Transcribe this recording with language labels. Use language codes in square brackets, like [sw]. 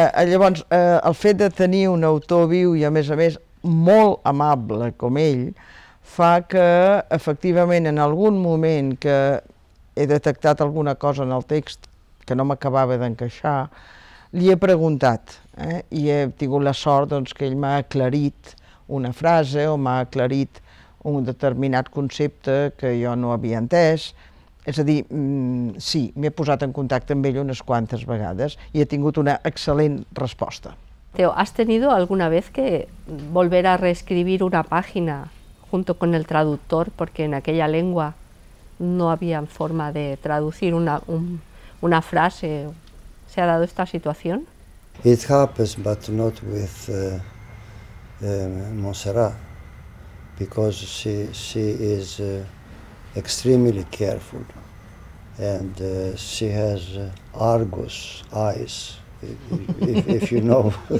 [ca] Llavors, el fet de tenir un autor viu i, a més, molt amable com ell, fa que, efectivament, en algun moment que he detectat alguna cosa en el text que no m'acabava d'encaixar, li he preguntat, i he tingut la sort doncs, que ell m'ha aclarit una frase o m'ha aclarit un determinat concepte que jo no havia entès. És a dir, sí, m'he posat en contacte amb ell unes quantes vegades i he tingut una excel·lent resposta. [es] Teo, ¿has tenido alguna vez que volver a reescribir una página junto con el traductor porque en aquella lengua no había forma de traducir una frase? ¿Se ha dado esta situación? [en] It happens, but not with Montserrat, because she is extremely careful, and she has Argus eyes, if you know.